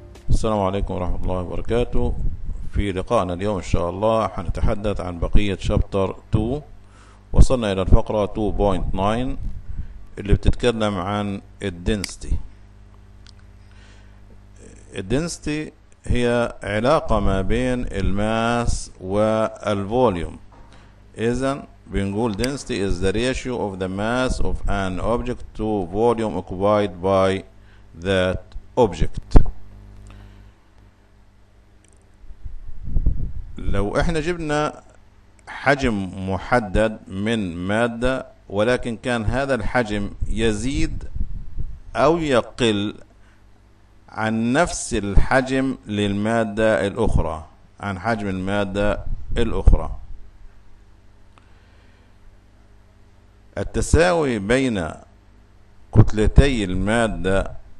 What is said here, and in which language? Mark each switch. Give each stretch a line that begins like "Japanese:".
Arabic: السلام عليكم ورحمة الله وبركاته. في لقائنا اليوم إن شاء الله حنتحدث عن بقية شابتر 2. وصلنا إلى الفقرة 2.9 اللي بتتكلم عن الدنستي. الدنستي هي علاقة ما بين الماس والفوليوم. إذن بنقول
English: density is the ratio of the mass of an object to volume occupied by that object.
Arabic: لو احنا جبنا حجم محدد من مادة ولكن كان هذا الحجم يزيد او يقل عن نفس الحجم للمادة الاخرى عن حجم المادة الاخرى، التساوي بين كتلتي المادة